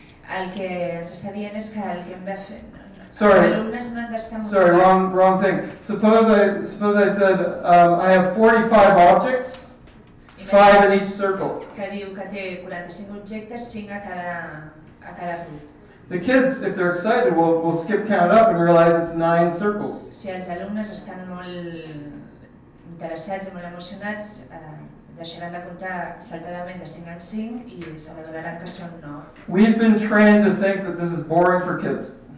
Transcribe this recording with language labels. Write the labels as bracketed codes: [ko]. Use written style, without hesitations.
[ca] El que ens està dient és que el que hem de fer... [en] Sorry, wrong thing. Suppose I said I have 45 objects, 5 in each circle. [ca] Que diu que té 45 objectes, 5 a cada grup. [en] The kids, if they're excited, will skip count up and realize it's 9 circles. [ca] Si els alumnes estan molt interessats i molt emocionats, deixaran de comptar saltadament de 5 en 5 i s'adonaran que són 9. [en] We've been trained to think that this is boring for kids.